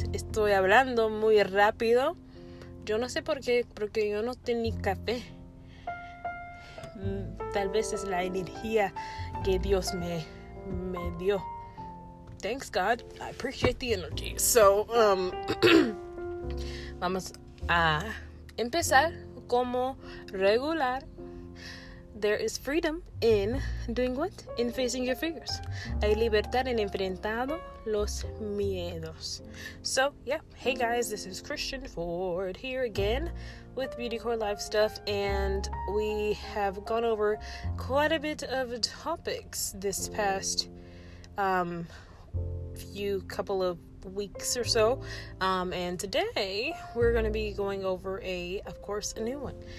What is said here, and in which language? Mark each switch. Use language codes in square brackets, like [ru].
[es] Estoy hablando muy rápido. Yo no sé por qué, porque yo no tengo ni café. Tal vez es la energía que Dios me dio. [en] Thanks, God. I appreciate the energy. So, [es] vamos a empezar como regular. [en] There is freedom in doing what? In facing your fears. [es] Hay libertad en enfrentado los miedos. [en] So, yeah. Hey, guys. This is Christian Ford here again with Beauty Core Life Stuff. And we have gone over quite a bit of topics this past couple of weeks or so. And today we're going to be going over of course, a new one.